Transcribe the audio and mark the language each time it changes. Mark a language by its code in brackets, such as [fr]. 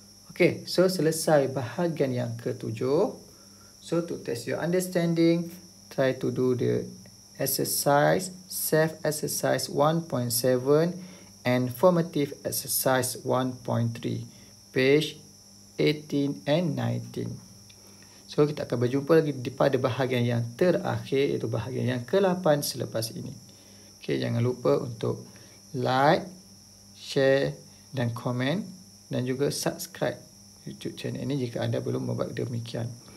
[ms] Okay, so selesai bahagian yang ke-7. [en] So to test your understanding, try to do the exercise, self-exercise 1.7 and formative exercise 1.3, page 18 and 19. [ms] So kita akan berjumpa lagi di pada bahagian yang terakhir, iaitu bahagian yang ke-8 selepas ini. Okay, jangan lupa untuk like, share dan komen dan juga subscribe YouTube channel ini jika anda belum membuat demikian.